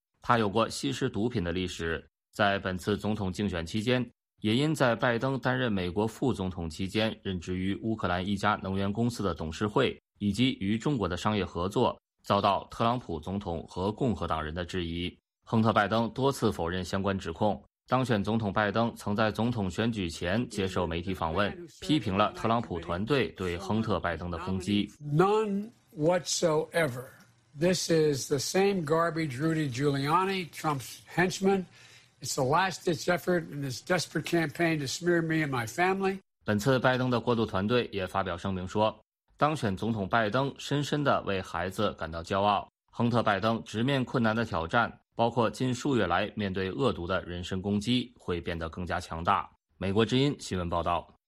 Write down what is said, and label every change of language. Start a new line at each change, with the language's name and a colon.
Chinese: 他有过吸食毒品的历史，在本次总统竞选期间，也因在拜登担任美国副总统期间任职于乌克兰一家能源公司的董事会，以及与中国的商业合作，遭到特朗普总统和共和党人的质疑。亨特·拜登多次否认相关指控。当选总统拜登曾在总统选举前接受媒体访问，批评了特朗普团队对亨特·拜登的攻击。
English: None whatsoever. This is the same garbage Rudy Giuliani, Trump's henchman. It's the last-ditch effort in this desperate campaign to smear me and my family.
Chinese: 本次拜登的过渡团队也发表声明说，当选总统拜登深深地为孩子感到骄傲。亨特·拜登直面困难的挑战，包括近数月来面对恶毒的人身攻击，会变得更加强大。美国之音新闻报道。